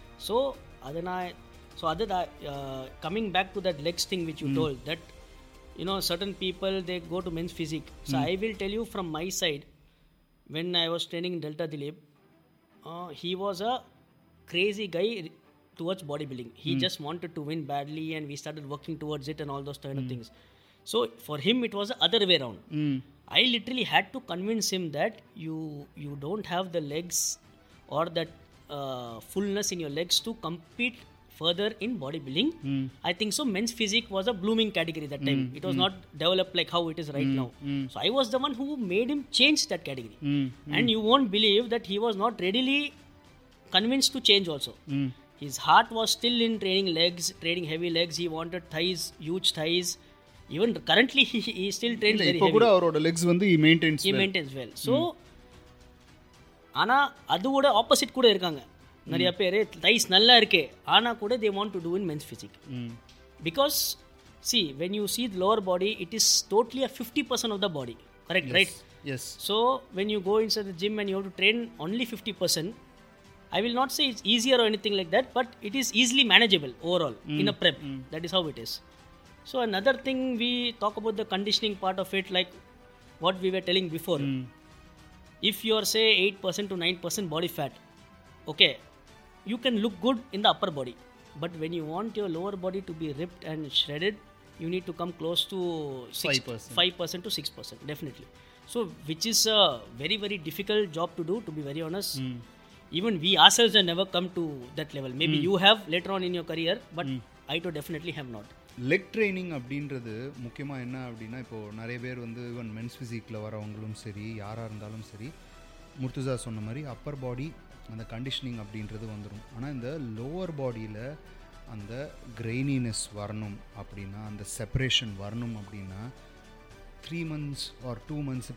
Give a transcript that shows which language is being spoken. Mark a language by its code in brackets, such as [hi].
[en] So அது நான் so அது coming back to that legs thing which you told that you know certain people they go to men's physique. So I will tell you from my side, when I was training Delta Dileep, he was a crazy guy towards bodybuilding. He just wanted to win badly and we started working towards it and all those kind of things. So for him it was the other way around. I literally had to convince him that you don't have the legs or that fullness in your legs to compete further in bodybuilding. I think so men's physique was a blooming category that time. It was not developed like how it is right now. So I was the one who made him change that category. And you won't believe that he was not readily convinced to change also. His heart was still in training legs, training heavy legs. He wanted thighs, huge thighs. Even currently, he still trains very heavy. [ta] இப்போ கூட அவரோட Lex வந்து [en] he maintains well. He maintains well. [ta] So, ஆனால் அது கூட opposite கூட இருக்காங்க. நிறைய பேர் [en] thighs [ta] நல்லா இருக்கு, ஆனால் கூட [en] they want to do in men's physique. Because, see, when you see the lower body, it is totally a 50% of the body. Correct, yes. Right? Yes. So, when you go inside the gym and you have to train only 50%, I will not say it's easier or anything like that, but it is easily manageable overall in a prep. That is how it is. So another thing, we talk about the conditioning part of it, like what we were telling before. If you are say 8% to 9% body fat, okay, you can look good in the upper body. But when you want your lower body to be ripped and shredded, you need to come close to 5% to 6%, definitely. So which is a very, very difficult job to do, to be very honest. Even we ourselves have never come to that level. Maybe you have later on in your career, but I too definitely have not. [ta] Leg training அப்படின்றது முக்கியமாக என்ன அப்படின்னா, இப்போது நிறைய பேர் வந்து even men's ஃபிசிக்கில் வரவங்களும் சரி யாராக இருந்தாலும் சரி, முர்துஜா சொன்ன மாதிரி அப்பர் பாடி அந்த கண்டிஷனிங் அப்படின்றது வந்துடும். ஆனால் இந்த லோவர் பாடியில் அந்த கிரெய்னினஸ் வரணும் அப்படின்னா, அந்த செப்பரேஷன் வரணும் அப்படின்னா, 3 months ஆர் 2 months.